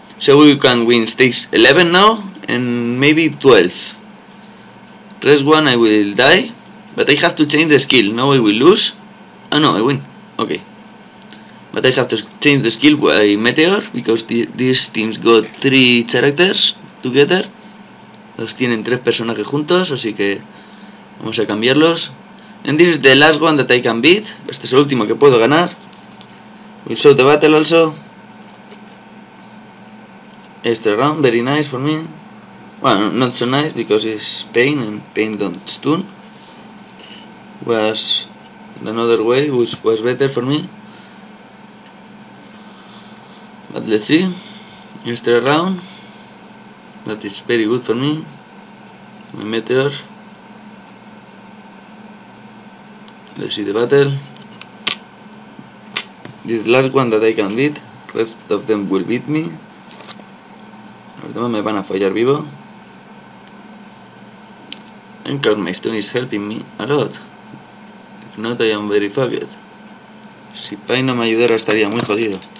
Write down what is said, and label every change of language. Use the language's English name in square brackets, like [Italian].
[English] So we can win stage 11 now, and maybe 12. Rest one, I will die. But I have to change the skill. Now I will lose. Ah, no, I win. Okay. But I have to change the skill by Meteor, because these teams got 3 characters together. [Spanish] Los tienen 3 personajes juntos, así que vamos a cambiarlos. [English] And this is the last one that I can beat. [Spanish] Este es el último que puedo ganar. [English] We'll show the battle also. Extra round, very nice for me. Well, not so nice because it's pain and pain don't stun. Was another way, which was better for me. But let's see. Extra round. That is very good for me. My meteor. Let's see the battle. This last one that I can beat. Rest of them will beat me. [Spanish] Los demás me van a fallar vivo. [English] And Karma Stone is helping me a lot. If not, I am very fucked. [Spanish] Si Pai no me ayudara, estaría muy jodido.